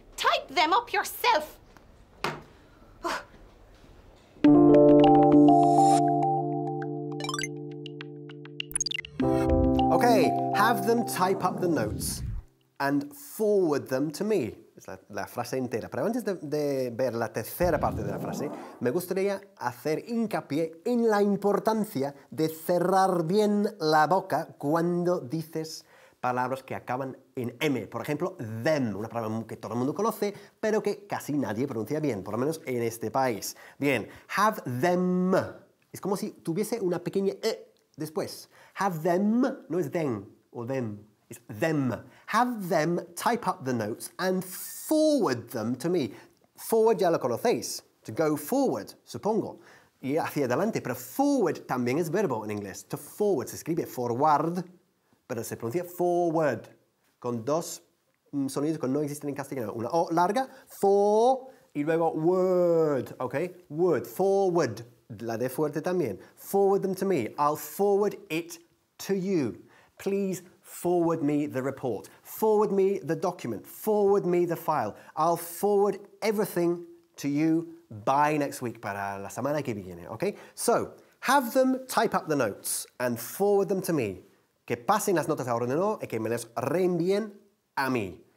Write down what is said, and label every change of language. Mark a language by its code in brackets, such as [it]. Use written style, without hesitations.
[en] Type them up yourself. Okay, have them type up the notes and forward them to me. [es] Es la frase entera. Pero antes de ver la tercera parte de la frase, me gustaría hacer hincapié en la importancia de cerrar bien la boca cuando dices palabras que acaban en M. Por ejemplo, them, una palabra que todo el mundo conoce, pero que casi nadie pronuncia bien, por lo menos en este país. Bien, [en] have them. [es] Es como si tuviese una pequeña E después. [en] Have them, [es] no es [en] them or them, it's them. Have them type up the notes and forward them to me. [es] Forward ya lo conocéis, [en] to go forward, [es] supongo. Y hacia adelante, pero forward también es verbo en inglés. To forward, se escribe forward, pero se pronuncia forward. Con dos sonidos que no existen en castellano. Una O larga, for, y luego word, okay? [en] Word, forward. [es] La de fuerte también. [en] Forward them to me. I'll forward it to you. Please Forward me the report. Forward me the document. Forward me the file. I'll forward everything to you by next week, [es] para la semana que viene, [en] okay? So, have them type up the notes and forward them to me. [es] Que pasen las notas ahora de nuevo y que me las reenvíen a mí.